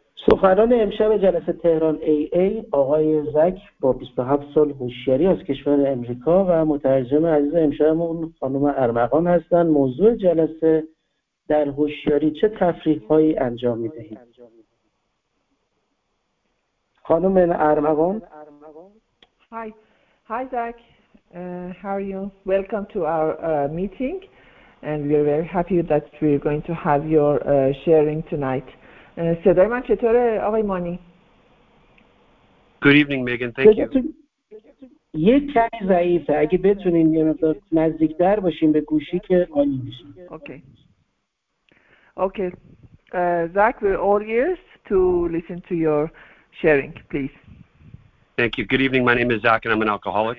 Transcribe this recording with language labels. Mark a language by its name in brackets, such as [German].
[Persian] سخنران امشب جلسه تهران AA آقای زک با 27 سال هوشیاری از کشور امریکا و مترجم عزیز امشبمون خانم ارمغان هستند. موضوع جلسه در هوشیاری چه تفریح هایی انجام میدهید؟ خانم ارمغان. [English] Hi Zach, how are you? Welcome to our meeting, and we're very happy that we're going to have your sharing tonight. [Persian] صدای من چطوره آقای مانی؟ [English] Good evening Megan, thank you. [Persian] یک کمی ضعیفه، اگه بتونین یه مقدار نزدیکتر باشین به گوشی که عالی میشه. [English] Okay. Zach, we're all ears to listen to your sharing, please. Thank you. Good evening. My name is Zach and I'm an alcoholic.